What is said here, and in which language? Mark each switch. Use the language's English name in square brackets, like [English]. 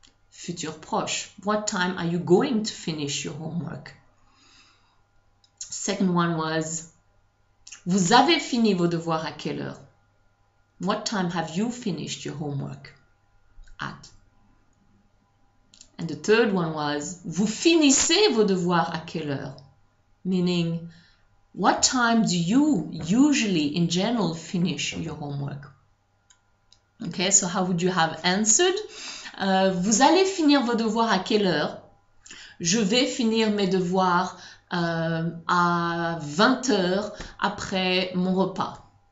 [English] Futur proche. What time are you going to finish your homework? Second one was, [French] vous avez fini vos devoirs à quelle heure? [English] What time have you finished your homework at? And the third one was, [French] vous finissez vos devoirs à quelle heure? [English] Meaning, what time do you usually, in general, finish your homework? Okay, so how would you have answered? [French] Vous allez finir vos devoirs à quelle heure? Je vais finir mes devoirs à 20 heures après mon repas.